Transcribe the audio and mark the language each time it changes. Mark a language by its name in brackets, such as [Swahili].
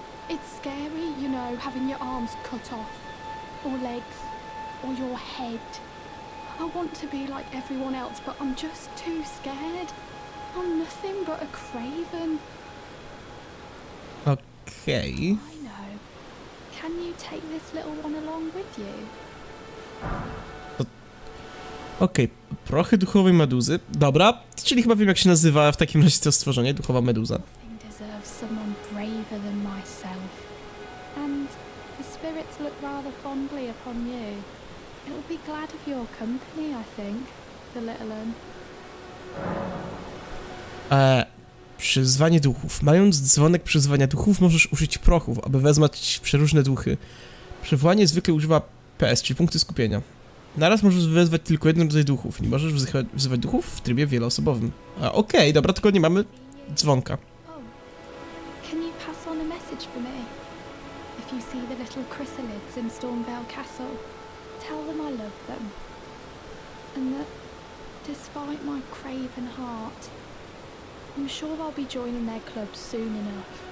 [English] It's scary, you know, having your arms cut off. Or legs. Or your head. I want to be like everyone else, but I'm just too scared. I'm nothing but a craven. Okay. I know. Can you take this little one along with you? [Polish] Okay, prochy duchowej meduzy. Dobra, czyli chyba wiem, jak się nazywa w takim razie to stworzenie, duchowa meduza. [English] Nothing deserves someone braver than myself. And the spirits look rather fondly upon you. It'll be glad of your company, I think, the little one. [Polish] Przyzwanie duchów. Mając dzwonek przyzwania duchów, możesz użyć prochów, aby wezwać przeróżne duchy. Przywołanie zwykle używa PS, czyli punkty skupienia. Naraz możesz wezwać tylko jeden rodzaj duchów. Nie możesz wzywać duchów w trybie wieloosobowym. Okej, dobra, tylko nie mamy dzwonka. [English] Oh. Can you pass on a message for me? If you see the little chrysalids in Stormvale Castle. Tell them I love them, and that, despite my craven heart, I'm sure I'll be joining their club soon enough.